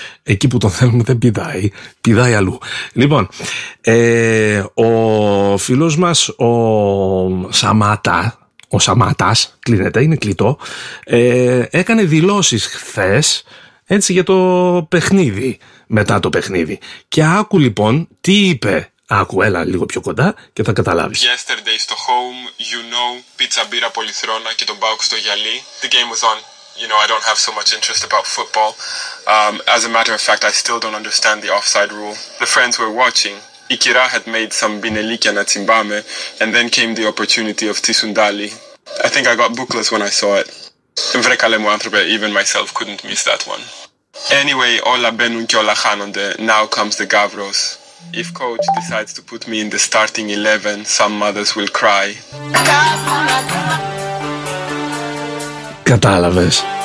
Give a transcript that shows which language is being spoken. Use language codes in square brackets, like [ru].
[el] Εκεί που τον θέλουμε δεν πηδάει, πηδάει αλλού. Λοιπόν, ο φίλος μας ο Σαμάτα, ο Σαμάτας, κλείνεται, είναι κλειτό, έκανε δηλώσεις χθες, έτσι, για το παιχνίδι, μετά το παιχνίδι. Και άκου λοιπόν τι είπε. Άκου, έλα λίγο πιο κοντά και θα καταλάβεις. [en] Yesterday [el] στο [en] home, you know, [el] πίτσα, μπύρα, πολυθρόνα και τον ΠΑΟΚ στο γυαλί. [en] The game was on. You know, I don't have so much interest about football. As a matter of fact, I still don't understand the offside rule. The friends were watching. [el] Η κυρά [en] had made some [el] μπινελίκια να τσιμπάμε [en] and then came the opportunity of Tsundali. I think I got bookless when I saw it. [el] Βρε καλέ μου άνθρωπε, [en] even myself couldn't miss that one. [el] Anyway, όλα μπαίνουν και όλα χάνονται. [en] Now comes the Gavros. If coach decides to put me in the starting 11, some mothers will cry. [el] Κατάλαβες.